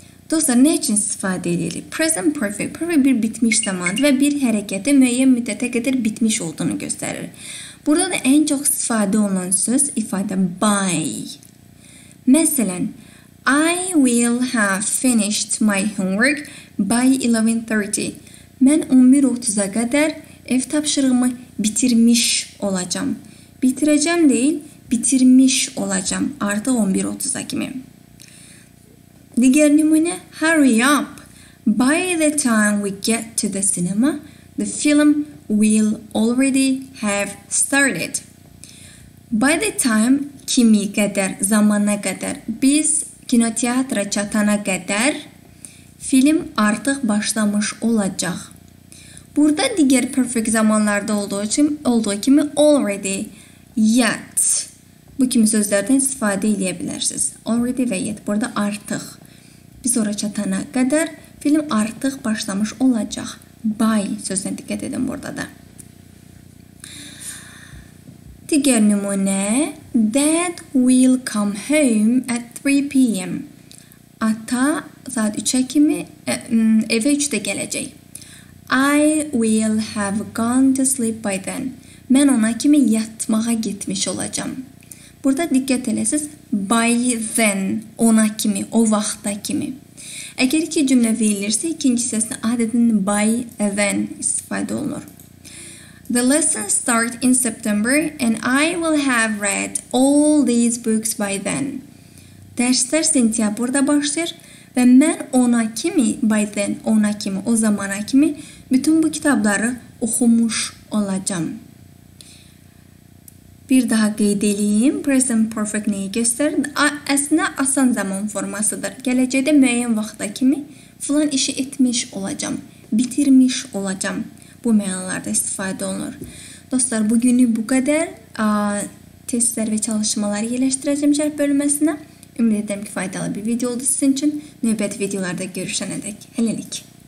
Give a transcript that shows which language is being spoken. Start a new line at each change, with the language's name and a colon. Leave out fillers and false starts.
Azerbaijani: Dostlar, nə üçün istifadə edirik? Present perfect. Perfect bir bitmiş zamandır və bir hərəkətə müəyyən müddətə qədər bitmiş olduğunu göstərir. Burada da ən çox istifadə olunan söz ifadə by.
English: Məsələn, I will have finished my homework by 11:30.
Azerbaijani: Mən 11:30-a qədər ev tapşırığımı bitirmiş olacağım. Bitirəcəm deyil. Bitirmiş olacağım. Artı 11:30'a kimi. Digər nümunə,
English: hurry up. By the time we get to the cinema, the film will already have started.
Azerbaijani: By the time, kimi qədər, zamana qədər, biz kinoteatra çatana qədər film artıq başlamış olacaq. Burada digər perfect zamanlarda olduğu kimi already, yet. Bu kimi sözlərdən istifadə edə bilərsiniz. Already və yet. Burada artıq. Biz ora çatana qədər film artıq başlamış olacaq. By sözünə diqqət edin burada da. Digər nümunə.
English: Dad will come home at 3 p.m.
Azerbaijani: Ata saat 3-ə kimi evə 3-də gələcək.
English: I will have gone to sleep by then.
Azerbaijani: Mən ona kimi yatmağa getmiş olacağım. Burada diqqət eləsiniz, by then, ona kimi, o vaxta kimi. Əgər ki cümlə verilirsə, ikinci hissəsində adətən by then istifadə olunur.
English: The lesson start in September and I will have read all these books by then.
Azerbaijani: Dərslər sentyabrda başlayır və mən ona kimi, by then, ona kimi, o zamana kimi bütün bu kitabları oxumuş olacağım. Bir daha qeyd edeyim. Present perfect neyi göstərir? Əslində asan zaman formasıdır. Gələcəkdə müəyyən vaxta kimi falan işi etmiş olacağım, bitirmiş olacağım. Bu meallarda istifade olunur. Dostlar, bugünü bu kadar. Testler ve çalışmalar iyileştireceğim cevap bölümesine. Ümit ederim ki faydalı bir video oldu sizin için. Nöbet videolarda görüşene dek. Helalik.